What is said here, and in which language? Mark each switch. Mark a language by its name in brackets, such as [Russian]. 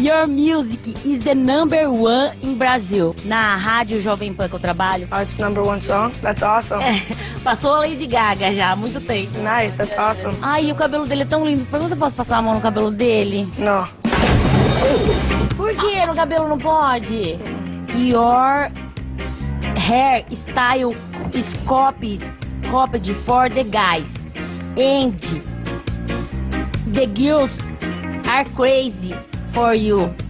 [English] Your music is the number one in Brazil. [Portuguese] Na rádio Jovem Pan que eu trabalho. [English] Oh, it's number one song? That's awesome. [Portuguese] Passou a Lady Gaga já, há muito tempo. [English] Nice, that's awesome. [Portuguese] Ai, o cabelo dele é tão lindo. Pergunta se eu posso passar a mão no cabelo dele. Não. Por que no cabelo não pode? [English] Your hair style is copied for the guys. And the girls are crazy for you.